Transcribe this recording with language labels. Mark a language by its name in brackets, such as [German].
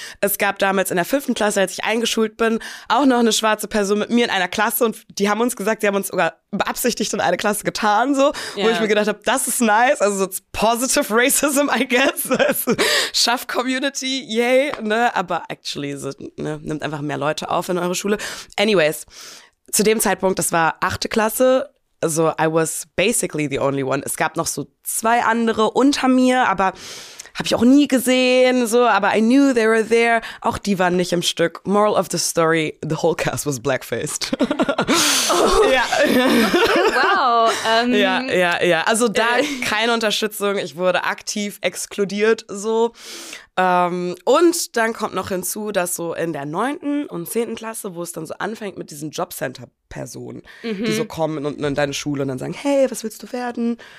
[German] Es gab damals in der 5. Klasse, als ich eingeschult bin, auch noch eine schwarze Person mit mir in einer Klasse und die haben uns gesagt, sie haben uns sogar beabsichtigt in eine Klasse getan, so, wo ich mir gedacht habe, das ist nice, also [English] it's positive racism, I guess, [German] Schaff-Community, yay, ne, aber actually, so, ne, nimmt einfach mehr Leute auf in eure Schule. Anyways, zu dem Zeitpunkt, das war 8. Klasse, also [English] I was basically the only one, [German] es gab noch so zwei andere unter mir, aber habe ich auch nie gesehen, so, aber [English] I knew they were there, [German] auch die waren nicht im Stück. [English] Moral of the story, the whole cast was blackfaced. Wow. [German] Ja. Also da keine Unterstützung. Ich wurde aktiv exkludiert so. Und dann kommt noch hinzu, dass so in der 9. und 10. Klasse, wo es dann so anfängt mit diesen Jobcenter-Personen, die so kommen und in deine Schule und dann sagen, hey, was willst du werden?